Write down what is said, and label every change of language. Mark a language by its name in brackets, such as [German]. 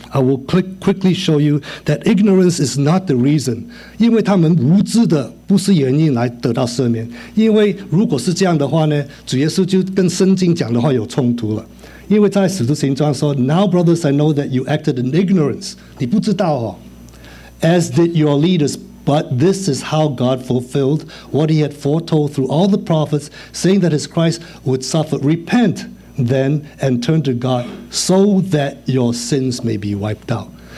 [English] I will quickly show you that ignorance is not the reason. [Chinese] 因为他们无知的不是原因来得到赦免。因为如果是这样的话呢，主耶稣就跟圣经讲的话有冲突了。因为在使徒行传说, [English] now brothers, I know that you acted in ignorance. [Chinese] 你不知道哦, [English] as did your leaders, but this is how God fulfilled what he had foretold through all the prophets, saying that his Christ would suffer. Repent then and turn to God so that your sins may be wiped out.